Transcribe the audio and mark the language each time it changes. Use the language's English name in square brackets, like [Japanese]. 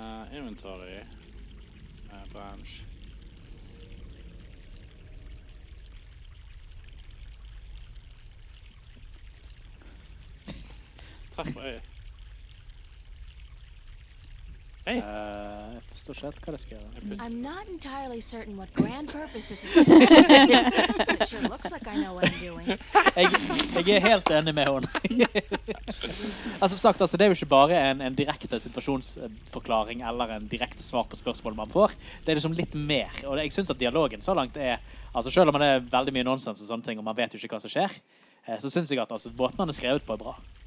[English] Inventory. Branch. [Norwegian] Takk for øye. [English] Hey. [Norwegian] Jeg forstår ikke helt hva det skal gjøre. [English] I'm not entirely certain what grand purpose this is supposed to be, but it sure looks like I know what I'm doing. [Norwegian] Jeg er helt enig med henne. Altså, som sagt, altså, det er jo ikke bare en direkte situasjonsforklaring eller en direkte svar på spørsmålet man får. Det er liksom litt mer. Og jeg synes at dialogen så langt er... Altså, selv om man er veldig mye nonsens og sånne ting, og man vet jo ikke hva som skjer, så synes jeg at altså, båten man er skrevet på er bra.